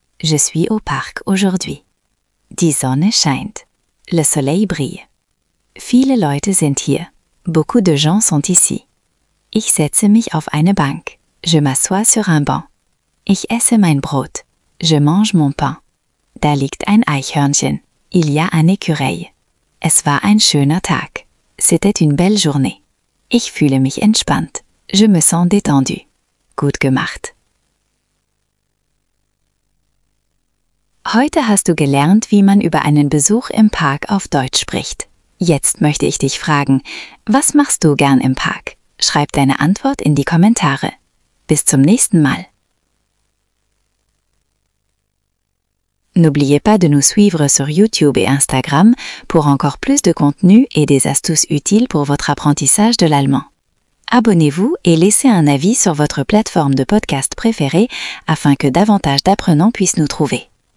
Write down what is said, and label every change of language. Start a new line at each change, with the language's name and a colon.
French: Je suis au parc aujourd'hui.
German: Die Sonne scheint.
French: Le soleil brille.
German: Viele Leute sind hier.
French: Beaucoup de gens sont ici.
German: Ich setze mich auf eine Bank.
French: Je m'assois sur un banc.
German: Ich esse mein Brot.
French: Je mange mon pain.
German: Da liegt ein Eichhörnchen.
French: Il y a un écureuil.
German: Es war ein schöner Tag.
French: C'était une belle journée.
German: Ich fühle mich entspannt.
French: Je me sens détendu.
German: Gut gemacht. Heute hast du gelernt, wie man über einen Besuch im Park auf Deutsch spricht. Jetzt möchte ich dich fragen, was machst du gern im Park? Schreib deine Antwort in die Kommentare. Bis zum nächsten Mal.
French: N'oubliez pas de nous suivre sur YouTube et Instagram pour encore plus de contenu et des astuces utiles pour votre apprentissage de l'allemand. Abonnez-vous et laissez un avis sur votre plateforme de podcast préférée afin que davantage d'apprenants puissent nous trouver.